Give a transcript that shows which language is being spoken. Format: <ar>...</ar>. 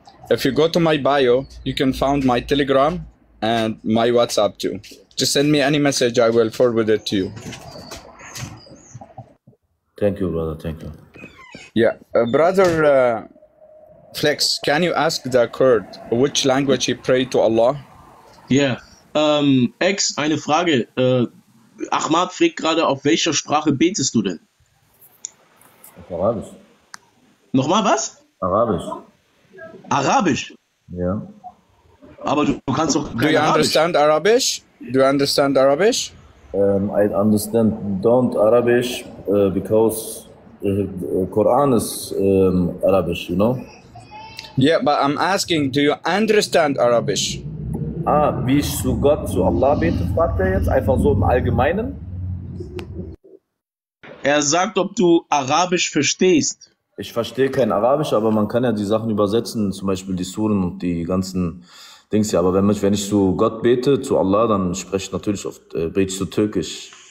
<en>If you go to my bio, you can find my Telegram and my WhatsApp too. Just send me any message. I will forward it to you. Thank you, brother. Thank you. Yeah, brother Flex, can you ask the Kurd which language he prayed to Allah?</en> <de>Yeah. Ex, eine Frage. Ahmad fragt gerade, auf welcher Sprache betest du denn? Auf Arabisch. Nochmal was? Arabisch. Arabisch? Ja. Aber du kannst doch.</de> <en>Do you understand Arabisch? Do you understand Arabisch? I understand don't Arabisch because Quran is Arabisch, you know? Yeah, but I'm asking, do you understand Arabisch?</en> <de>Ah, wie ich zu Gott, zu Allah bete, fragt er jetzt, einfach so im Allgemeinen? Er sagt, ob du Arabisch verstehst. Ich verstehe kein Arabisch, aber man kann ja die Sachen übersetzen, zum Beispiel die Suren und die ganzen Dings hier. Aber wenn ich zu Gott bete, zu Allah, dann spreche ich natürlich oft, bete ich zu Türkisch.</de>